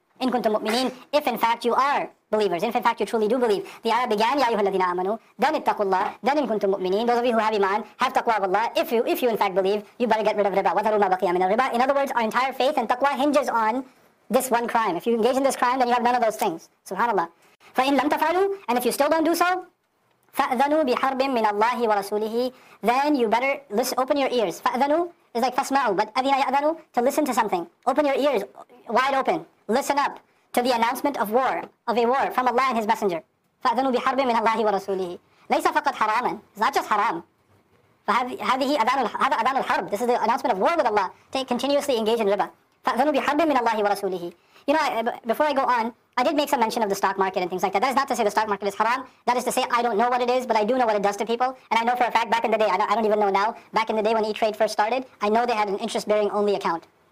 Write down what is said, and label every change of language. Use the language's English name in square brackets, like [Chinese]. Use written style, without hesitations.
[Arabic] إن كنتم مؤمنين [English] if in fact you are believers if in fact you truly do believe the ayah began [Arabic] يا أيها الذين آمنوا [English] then [Arabic] اتقوا الله [English] then إن كنتم مؤمنين those of you who have iman have taqwa of Allah if you in fact believe you better get rid of riba [Arabic] وَذَرُوا مَا بَقِيَ مِنَ الْرِبَى [English] in other words our entire faith and taqwa hinges on this one crime if you engage in this crime then you have none of those things subhanAllah [Arabic] فَإِن لَمْ تَفَعَلُوا [English] and if you still don't do so [Arabic] فَأَذَنُوا بِحَرْبٍ مِنَ اللَّهِ وَرَسُولِهِ [English] then you better listen, open your ears فَأَذَنُوا is like فَاسْمَعُوا but [Arabic] أَذِنَ يَأَذَنُوا [English] to listen to something open your ears wide open Listen up to the announcement of war, of a war from Allah and His Messenger. [Arabic] فَأَذَنُوا بِحَرْبٍ مِنَ اللَّهِ وَرَسُولِهِ لَيْسَ فَقَدْ حَرَامًا [English] It's not just haram. [Arabic] فَهَذِهِ أَذَانُ الْحَرْبِ [English] This is the announcement of war with Allah to continuously engage in riba. [Arabic] فَأَذَنُوا بِحَرْبٍ مِنَ اللَّهِ وَرَسُولِهِ [English] You know, before I go on, I did make some mention of the stock market and things like that. That is not to say the stock market is haram. That is to say I don't know what it is, but I do know what it does to people. And I know for a fact back in the day, I don't even know now, back in the day when E-Trade first started, I know they had an interest-bearing only account.